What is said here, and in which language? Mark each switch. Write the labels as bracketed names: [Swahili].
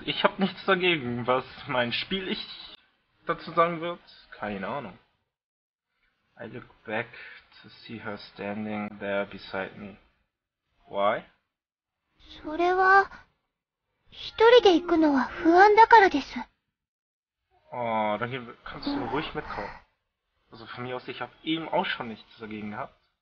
[German] Ich hab nichts dagegen, was mein Spiel ich dazu sagen wird? Keine Ahnung. [English] I look back to see her standing there beside me. Why? [Japanese] それは、一人で行くのは不安だからです。 [German] Oh, dann kannst du ruhig mitkommen. Also von mir aus, ich hab eben auch schon nichts dagegen gehabt.